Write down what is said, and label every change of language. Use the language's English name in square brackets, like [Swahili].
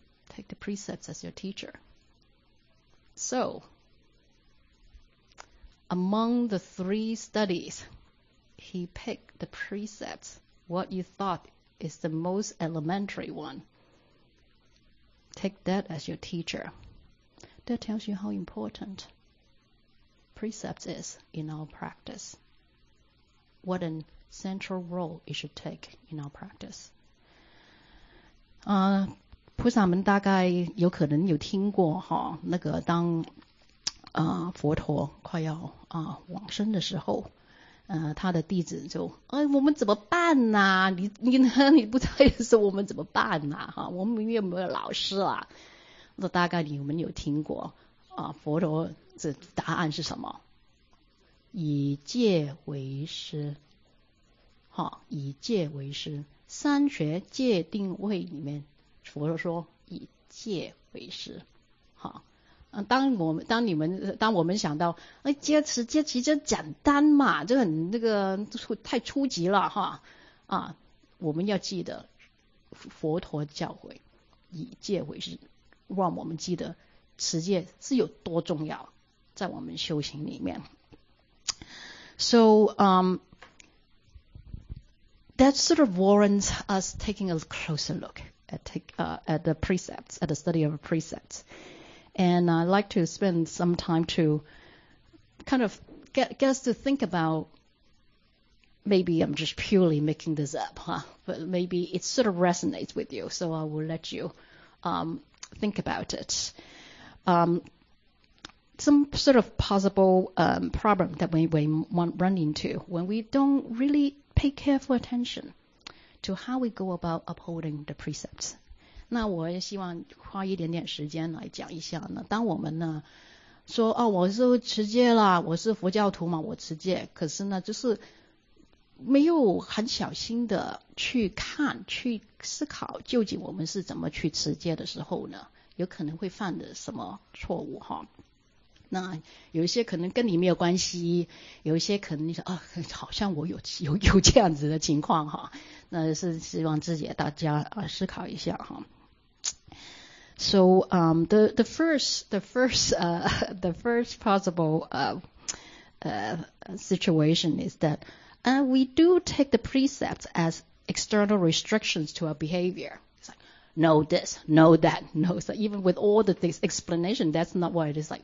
[English] Take the precepts as your teacher. So, among the three studies, he picked the precepts, what you thought is the most elementary one. Take that as your teacher. That tells you how important precepts is in our practice. What a central role it should take in our practice. [Chinese] 菩萨们大概有可能有听过哈，那个当佛陀快要往生的时候，他的弟子就哎，我们怎么办呐、啊？你不在的时候，我们怎么办呐、啊？哈，我们有没有老师啊？那大概你们有听过啊？佛陀这答案是什么？以戒为师，哈，以戒为师。三学戒定慧里面，佛陀说以戒为师，哈。当我们想到哎，戒其实简单嘛，就很那个太初级了哈啊，我们要记得佛陀教诲以戒为师，让我们记得持戒是有多重要在我们修行里面。 [English] So that sort of warrants us taking a closer look at the precepts, at the study of precepts. And I'd like to spend some time to kind of get us to think about, maybe I'm just purely making this up, huh? But maybe it sort of resonates with you, so I will let you think about it. Some sort of possible problem that we might run into when we don't really pay careful attention to how we go about upholding the precepts. [Chinese] 那我也希望花一点点时间来讲一下呢。当我们呢说哦，我是持戒啦，我是佛教徒嘛，我持戒，可是呢就是没有很小心的去看去思考究竟我们是怎么去持戒的时候呢，有可能会犯的什么错误哈。那有一些可能跟你没有关系，有一些可能你说啊，好像我有这样子的情况哈，那是希望自己大家思考一下哈。 [English] So the first possible situation is that we do take the precepts as external restrictions to our behavior. Know this, know that, know that. Even with all the things, explanation, that's not what it is like.